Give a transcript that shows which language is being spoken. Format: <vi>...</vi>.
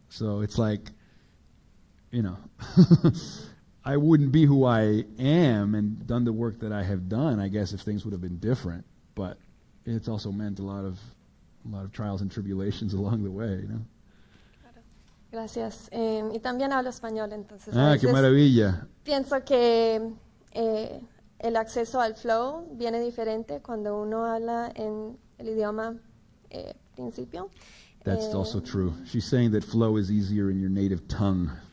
<en>So it's like, you know, I wouldn't be who I am and done the work that I have done, I guess, if things would have been different. But it's also meant a lot of trials and tribulations along the way, you know?</en> <es>Gracias. Y también hablo español, entonces. Ah, qué maravilla. Pienso que el acceso al flow viene diferente cuando uno habla en el idioma principio.</es> <en>That's also true. She's saying that flow is easier in your native tongue.</en>